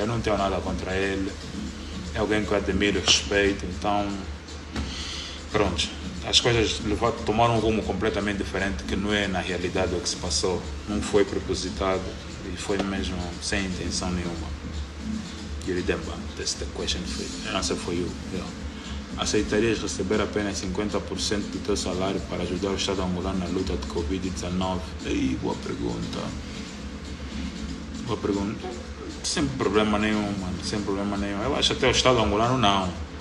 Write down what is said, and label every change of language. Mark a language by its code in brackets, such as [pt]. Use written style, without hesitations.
[pt] Eu não tenho nada contra ele. É alguém que eu admiro e respeito. Então, pronto. As coisas tomaram um rumo completamente diferente, que não é na realidade o que se passou. Não foi propositado e foi mesmo sem intenção nenhuma. [en] You remember, that's the question for you. The answer for you. Yeah. [pt] Aceitarias receber apenas 50% do teu salário para ajudar o Estado angolano na luta de Covid-19? Ei, boa pergunta. Boa pergunta. Sem problema nenhum, mano. Sem problema nenhum. Eu acho até o Estado angolano não.